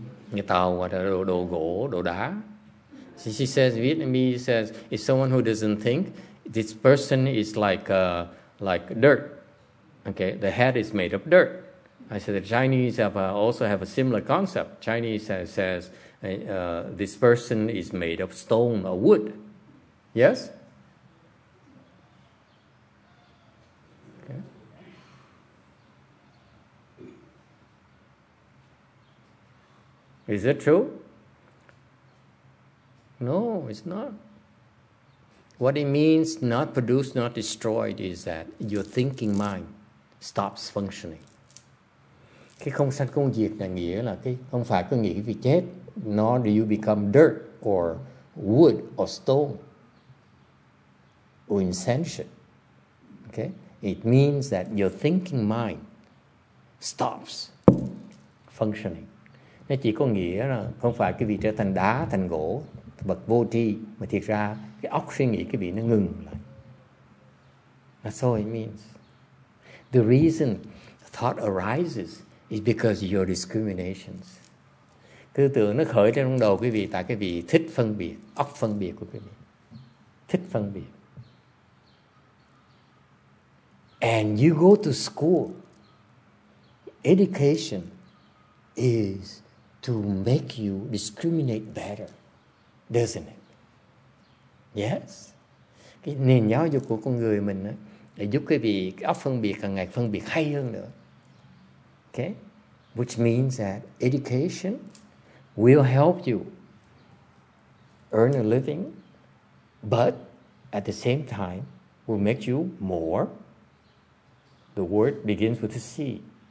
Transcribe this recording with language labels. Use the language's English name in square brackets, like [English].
[Vietnamese] Như tàu hoặc là đồ gỗ, đồ đá. [English] She says, Vietnamese says, if someone who doesn't think, this person is like dirt. Okay, the head is made of dirt. I said the Chinese also have a similar concept. Chinese says this person is made of stone or wood. Yes? Is it true? No, it's not. What it means, not produced, not destroyed, is that your thinking mind stops functioning. [Vietnamese] Cái không sanh không diệt là nghĩa là cái không phải có nghĩ vì chết, [English] nor do you become dirt or wood or stone or insentient. Okay? It means that your thinking mind stops functioning. [Vietnamese] Nó chỉ có nghĩa là không phải cái vị trở thành đá, thành gỗ, bậc vô tri, mà thiệt ra cái óc suy nghĩ cái vị nó ngừng lại. [English] That's all it means. The reason thought arises is because your discriminations. [Vietnamese] Tư tưởng nó khởi trong đầu quý vị tại cái vị thích phân biệt, óc phân biệt của quý vị. Thích phân biệt. [English] And you go to school. Education is to make you discriminate better, doesn't it? Yes. [Vietnamese] Cái nền giáo dục của con người mình á, để giúp quý vị cái óc phân biệt càng ngày phân biệt hay hơn nữa. [English] Okay? Which means that education will help you earn a living, but at the same time will make you more. The word begins with a C.